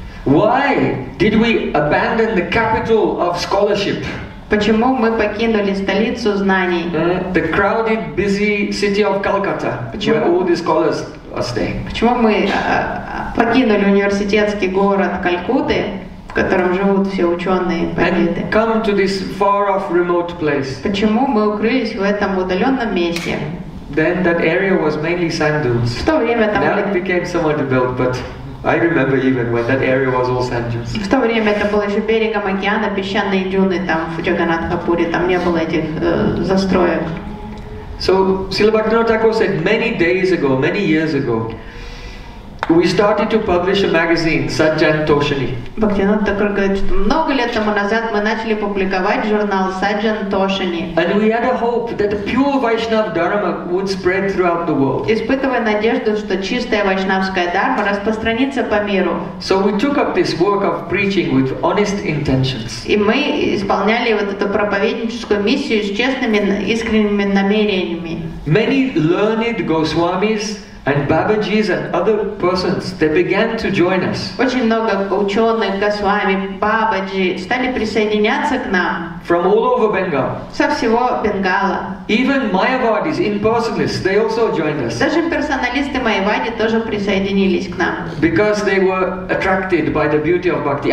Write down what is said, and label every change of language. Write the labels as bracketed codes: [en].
[en] Why did we abandon the capital of scholarship? [ru] Почему мы покинули столицу знаний? [en] The crowded, busy city of Calcutta, where all the scholars are staying. [ru] Почему мы покинули университетский город Калькутты, в котором живут все ученые победы? [en] And come to this far off remote place. [ru] Почему мы укрылись в этом удаленном месте? [en] Then that area was mainly sand dunes. [ru] В то время там [en] now it became somewhat developed, but I remember even when that area was all sand dunes. [ru] В то время это было еще берегом океана, песчаные дюны там в Джаганатхапуре, там не было этих застроек. [en] So Srila Bhaktivinoda Thakur said many days ago, many years ago, We started to publish a magazine, Саджан Тошини. [ru] Бхактинатта говорит, что много лет тому назад мы начали публиковать журнал Саджан Тошини. [en] And we had a hope that the pure Vaishnava Dharma would spread throughout the world. [ru] Испытывая надежду, что чистая вайшнавская дхарма распространится по миру. [en] So we took up this work of preaching with honest intentions. [ru] И мы исполняли вот эту проповедническую миссию с честными, искренними намерениями. [en] Many learned Госвамис and Babaji's and other persons, they began to join us. [ru] Очень много ученых, госвами, бабаджи стали присоединяться к нам. [en] From all over Bengal. [ru] Со всего Бенгала. [en] Even Mayavadis, impersonalists, they also joined us. [ru] Даже имперсоналисты Майявади тоже присоединились к нам. [en] Because they were attracted by the beauty of bhakti.